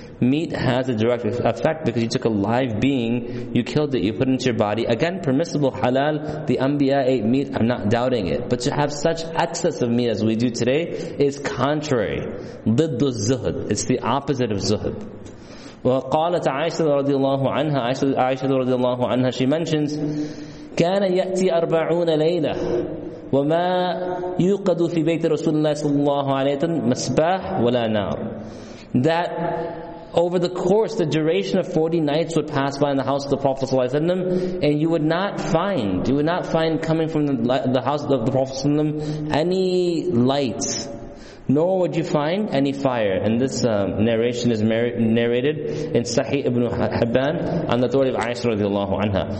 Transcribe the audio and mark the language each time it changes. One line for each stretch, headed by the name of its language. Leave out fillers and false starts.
English: Meat has a direct effect because you took a live being, you killed it, you put it into your body. Again, permissible, halal, the Anbiya ate meat, I'm not doubting it. But to have such excess of meat as we do today is contrary.
Arabic: ضِدُّ الزُّهُد.
English: It's the opposite of zuhud.
Arabic: وقالت عائشة رضي الله عنها عائشة رضي الله عنها
English: she mentions
Arabic: كان يأتي 40 ليلة وما يوقد في بيت رسول الله صلى الله عليه وسلم مسباح ولا نار.
English: That over the course, the duration of 40 nights would pass by in the house of the Prophet صلى الله عليه وسلم, and you would not find coming from the house of the Prophet صلى الله عليه وسلم any light. Nor would you find any fire. And this narration is narrated in Sahih Ibn Hibban on the authority of Aisha radiallahu anha.